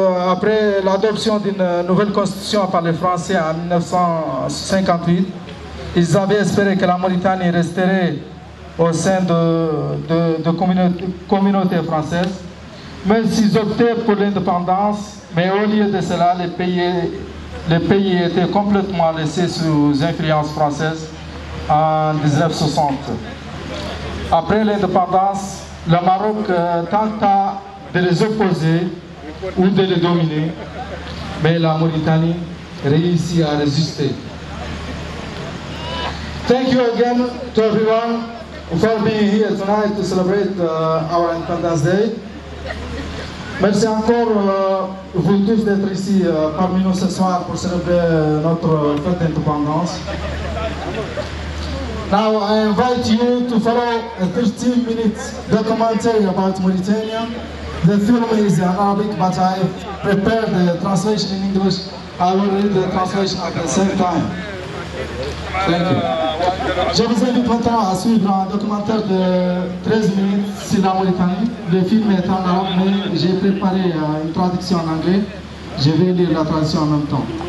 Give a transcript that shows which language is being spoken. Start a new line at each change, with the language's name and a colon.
French: Après l'adoption d'une nouvelle constitution par les Français en 1958, ils avaient espéré que la Mauritanie resterait au sein de communautés françaises, mais s'ils optaient pour l'indépendance, mais au lieu de cela, le pays était complètement laissé sous influence française en 1960. Après l'indépendance, le Maroc tenta de les opposer ou de les dominer, mais la Mauritanie réussit à résister.
English: Thank you again to everyone for being here tonight to celebrate our Independence Day.
French: Merci encore vous tous d'être ici parmi nous ce soir pour célébrer notre fête d'indépendance.
English: Now I invite you to follow a 13-minute documentary about Mauritania. The film is in Arabic, but I prepared the translation in English. I will read the translation at the same time. Thank you.
French: Je vous invite maintenant à suivre un documentaire de 13 minutes sur la Mauritanie. Le film est en arabe, mais j'ai préparé une traduction en anglais. Je vais lire la traduction en même temps.